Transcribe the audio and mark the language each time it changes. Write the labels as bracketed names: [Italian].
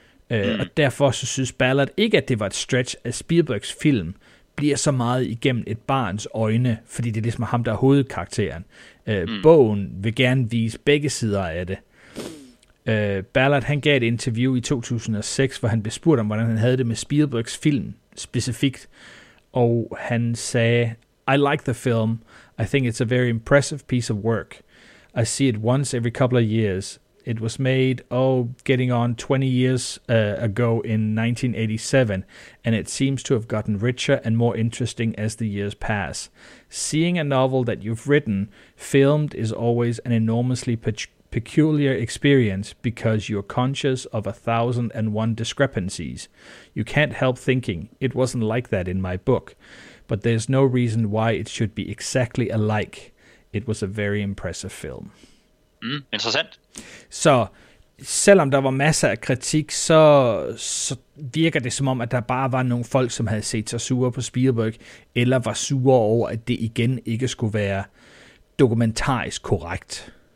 [Danish] Og derfor så synes Ballard ikke, at det var et stretch, at Spielbergs film bliver så meget igennem et barns øjne, fordi det er ligesom ham, der er hovedkarakteren. Bogen vil gerne vise begge sider af det. Ballard, han gav et interview i 2006, hvor han blev spurgt om, hvordan han havde det med Spielbergs film specifikt, og han sagde, [English] I like the film. I think it's a very impressive piece of work. I see it once every couple of years. It was made, getting on 20 years ago in 1987, and it seems to have gotten richer and more interesting as the years pass. Seeing a novel that you've written filmed is always an enormously peculiar experience because you're conscious of 1,001 discrepancies. You can't help thinking, it wasn't like that in my book, but there's no reason why it should be exactly alike. It was a very impressive film. [Danish] Mm, interessant. Så selvom der var masser af kritik, så virker det som om, at der bare var nogle folk, som havde set sig sure på Spielberg, eller var sure over, at det igen ikke skulle være dokumentarisk korrekt.